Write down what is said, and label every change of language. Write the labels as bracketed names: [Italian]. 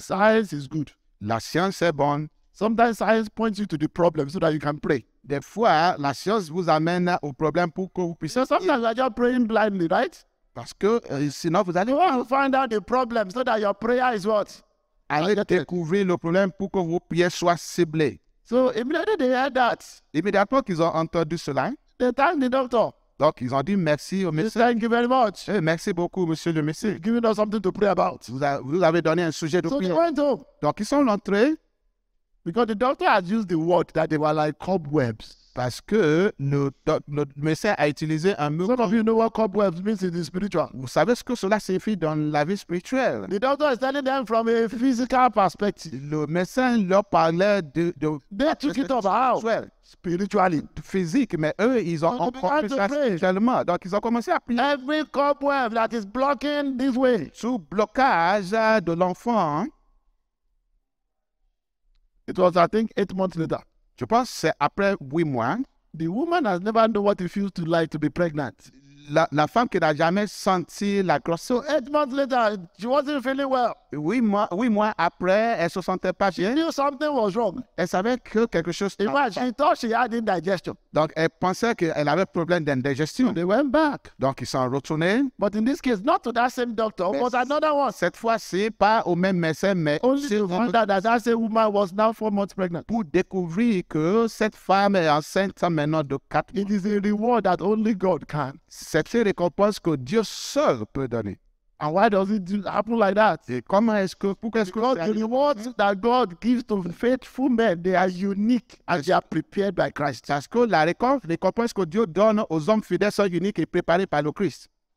[English] Science is good. [French] La science est bonne. [English] Sometimes science points you to the problem so that you can pray. [French] Des fois, la science vous amène au problème pour que vous puissiez. [English] So sometimes you're just praying blindly, right? [French] Parce que sinon vous allez [English] you want to find out the problem so that your prayer is what? [French] Allez découvrir le problème pour que vos prières soient ciblées. [English] So immediately they heard that. [French] Immédiatement qu'ils ont entendu cela. [English] They thanked the doctor. [French] Donc ils ont dit merci au monsieur. [English] Thank you very much. [French] Hey, merci beaucoup monsieur le monsieur. [English] Giving us something to pray about. [French] Vous avez donné un sujet de [English] so [French] prière. [English] So they went home. [French] Donc ils sont entrés. [English] Because the doctor has used the word that they were like cobwebs. [French] Parce que le médecin a utilisé un mot. [English] Some of you know what cobwebs means in the spiritual. [French] Vous savez ce que cela signifie dans la vie spirituelle. [English] The doctor is telling them from a physical perspective. [French] Le médecin leur parlait de [English] they took it up how? Spiritually. [French] Physique, mais eux, ils ont compris ça spirituellement. Donc, ils ont commencé à prier. [English] Every cobweb that is blocking this way. [French] Sous blocage de l'enfant. [English] It was, I think, 8 months later. [French] Je pense que c'est après 8 mois. [English] The woman has never known what it feels to like to be pregnant. [French] La femme qui n'a jamais senti la grossesse. [English] So 8 months later, she wasn't feeling well. [French] 8 mois après, elle se sentait pas bien. [English] She knew something was wrong. [French] Elle savait que quelque chose. [English] In fact, she thought she had indigestion. [French] Donc, elle pensait qu'elle avait problème d'indigestion. [English] They went back. [French] Donc, ils sont retournés. [English] But in this case, not to that same doctor, [French] mais [English] but another one. [French] Cette fois-ci, pas au même médecin, mais [English] only to find out that same woman was now 4 months pregnant. [French] Pour découvrir que cette femme est enceinte maintenant de 4 mois. [English] It is a reward that only God can. [French] C'est une récompense que Dieu seul peut donner. [English] And why does it happen like that? [French] Et comment est-ce que, pourquoi est-ce [English] because [French] que [English] the rewards that God gives to faithful men, they are unique and they are prepared by Christ. [French] Parce que la récompense que Dieu donne aux hommes fidèles sont uniques et préparées par le Christ.